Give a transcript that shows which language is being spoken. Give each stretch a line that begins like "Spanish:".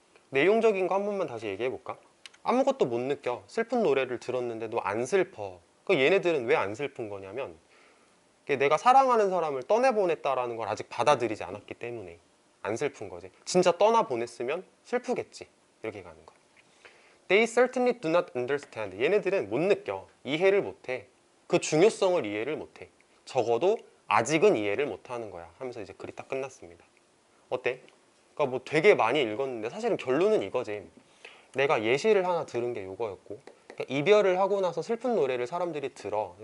Korean: 내용적인 거한 번만 다시 얘기해 볼까? 아무것도 못 느껴. 슬픈 노래를 들었는데도 안 슬퍼. 그 얘네들은 왜안 슬픈 거냐면 내가 사랑하는 사람을 떠내보냈다라는 걸 아직 받아들이지 않았기 때문에 안 슬픈 거지. 진짜 떠나보냈으면 슬프겠지. 이렇게 가는 거야.
English: They certainly do not understand.
Korean: 얘네들은 못 느껴. 이해를 못 해. 그 중요성을 이해를 못 해. 적어도 아직은 이해를 못 하는 거야. 하면서 이제 글이 딱 끝났습니다. 어때? 그러니까 뭐 되게 많이 읽었는데 사실은 결론은 이거지. 내가 예시를 하나 들은 게 요거였고, 그러니까 이별을 하고 나서 슬픈 노래를 사람들이 들어.